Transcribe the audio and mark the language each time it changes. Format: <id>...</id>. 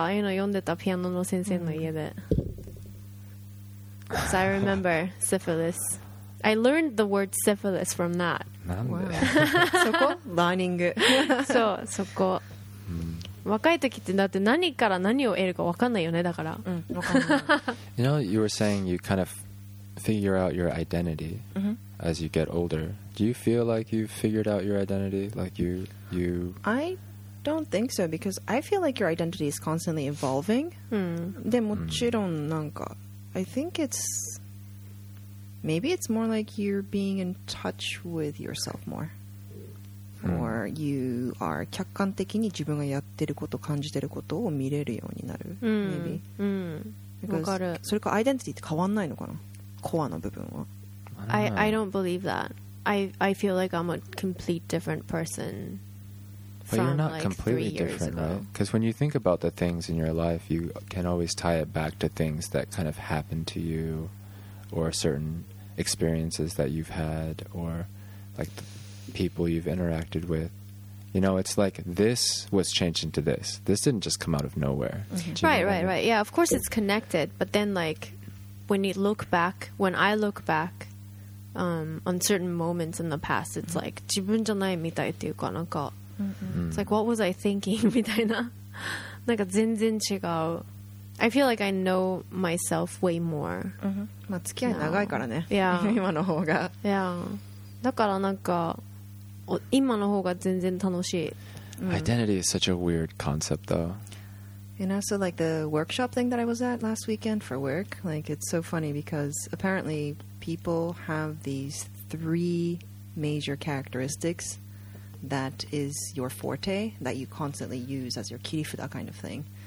<ja>ああいうの読んでたピアノの先生の家で。</ja> <en>'Cause I remember syphilis. I learned the word syphilis from that.</en> <ja>そこ?</ja> <en>Learning.</en> <ja>そう、そこ。若い時ってだって何から何を得るか分かんないよね、だから。</ja> <en>You know, you were saying you kind of figure out your identity as you get older. Do you feel like you've figured out your identity? Like you... I don't think so, because I feel like your identity is constantly evolving.</en> <ja>でもちろんなんか...</ja> <en>I think it's... Maybe it's more like you're being in touch with yourself more. or you are</en> <ja>客観的に自分がやってること感じてることを見れるようになる、</ja> <en>maybe.</en> <ja>わかる。それかアイデンティティって変わんないのかな、コアの部分は。</ja> <en>I don't believe that. I feel like I'm a complete different person But you're not completely different, though. Because when you think about the things in your life, you can always tie it back to things that kind of happened to you or certain experiences that you've had or like the people you've interacted with. You know, it's like this was changed into this. This didn't just come out of nowhere. Mm-hmm. Right. Yeah, of course it's connected. But then like when I look back,on certain moments in the past, it's like</en> <ja>自分じゃないみたいっていうかなんか</ja> <en>Mm-hmm. It's like, what was I thinking?</en> <ja>みたいな。なんか全然違う。</ja> <en>I feel like I know myself way more.</en> <ja>まあ付き合い長いからね。</ja> <en>Yeah.</en> <ja>今の方が。</ja> <en>Yeah.</en> <ja>だからなんか、今の方が全然楽しい。</ja> <en>Identity is such a weird concept, though. You know, so like the workshop thing that I was at last weekend for work, like it's so funny because apparently people have these three major characteristics. That is your forte that you constantly use as your kirifuda kind of thing.</en>